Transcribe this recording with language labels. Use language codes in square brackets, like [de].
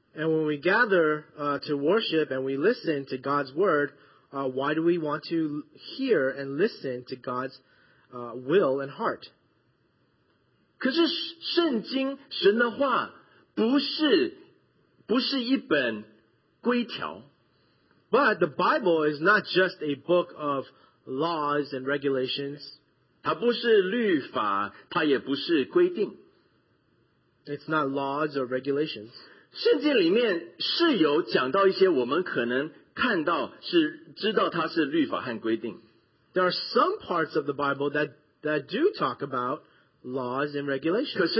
[en] And when we gather to worship and we listen to God's word, why do we want to hear and listen to God's will and heart? [zh] 可是圣经神的话不是一本规条。 [en] But the Bible is not just a book of laws and regulations. [zh] 它不是律法，它也不是规定。 [en] It's not laws or regulations. [zh] 圣经里面是有讲到一些我们可能看到是知道它是律法和规定。 [en] There are some parts of the Bible that do talk about laws and regulations.